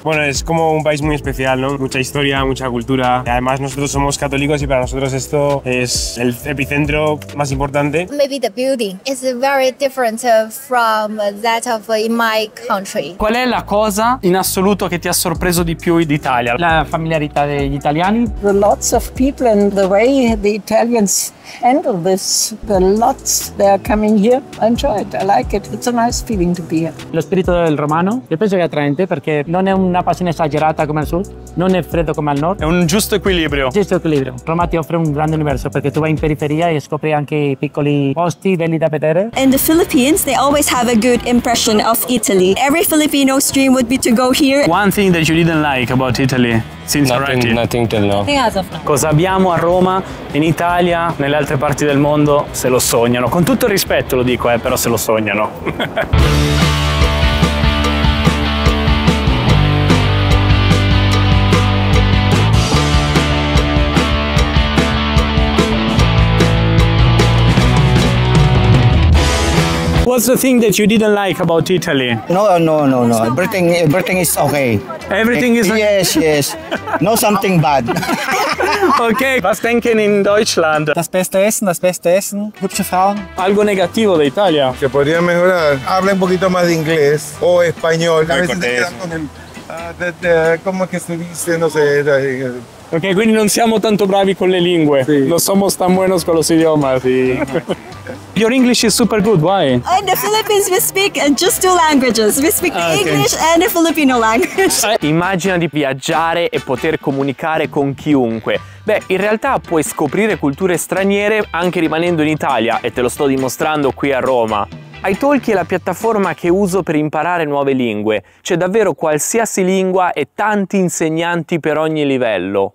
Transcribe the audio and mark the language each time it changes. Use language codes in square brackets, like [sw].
[es] Bueno, es como un país muy especial, ¿no? Mucha historia, mucha cultura. Y además nosotros somos católicos y para nosotros esto es el epicentro más importante. [en] Maybe the beauty is very different from that of in my country. [it] Qual è la cosa in assoluto che ti ha sorpreso di più d'Italia? La familiarità degli italiani. [en] The lots of people and the way the Italians handle this, the lots they are coming here. I enjoy it, I like it. It's a nice feeling to be here. [it] Lo spirito del romano, io penso che è attraente perché non è una passione esagerata come al sud, non è freddo come al nord. È un giusto equilibrio. Giusto equilibrio. Roma ti offre un grande universo perché tu vai in periferia e scopri anche i piccoli posti belli da vedere. [en] In the Philippines, they always have a good impression of Italy. Every Filipino's dream would be to go here. One thing that you didn't like about Italy since arriving? Nothing till now. Nothing as of now. [it] Cosa abbiamo a Roma, in Italia, nelle altre parti del mondo, se lo sognano. Con tutto il rispetto lo dico, però se lo sognano. [en] What's the thing that you didn't like about Italy? No. Everything is okay. Everything is okay? Yes. No something bad. [de] Okay. Was denken in Deutschland? Das beste Essen, hübsche Frauen. [es] Algo negativo de Italia. Se podría mejorar. Habla un poquito más de inglés o español. A veces te quedan con Como que se dice, no sé. [it] Ok, quindi non siamo tanto bravi con le lingue. [es] Sí. No somos tan buenos con los idiomas. Sí. [en] Your English is super good, why? In the Philippines we speak just two languages. We speak the English and the Filipino language. [it] Immagina di viaggiare e poter comunicare con chiunque. Beh, in realtà puoi scoprire culture straniere anche rimanendo in Italia e te lo sto dimostrando qui a Roma. iTalki è la piattaforma che uso per imparare nuove lingue. C'è davvero qualsiasi lingua e tanti insegnanti per ogni livello.